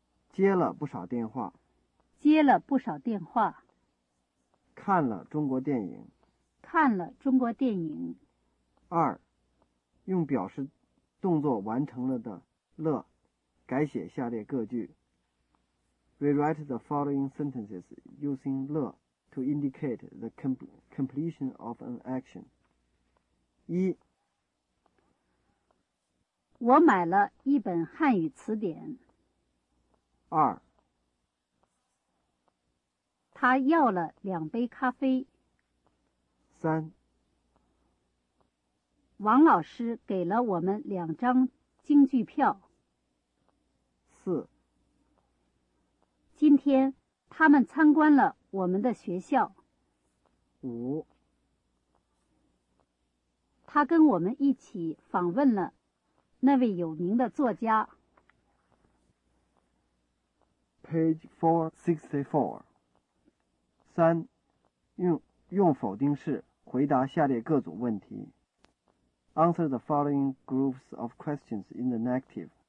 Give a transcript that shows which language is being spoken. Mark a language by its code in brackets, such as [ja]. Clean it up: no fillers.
[zh] 接了不少电话，接了不少电话，看了中国电影，看了中国电影。二，用表示动作完成了的乐改写下列各句。 [en] Rewrite the following sentences using 乐 to indicate the completion of an action. [zh] 一，我买了一本汉语词典。二，他要了两杯咖啡。三，王老师给了我们两张京剧票。四，今天他们参观了我们的学校。五，他跟我们一起访问了那位有名的作家。 [en] Page 464。 [zh] 三，用否定式回答下列各组问题。 [en] Answer the following groups of questions in the negative.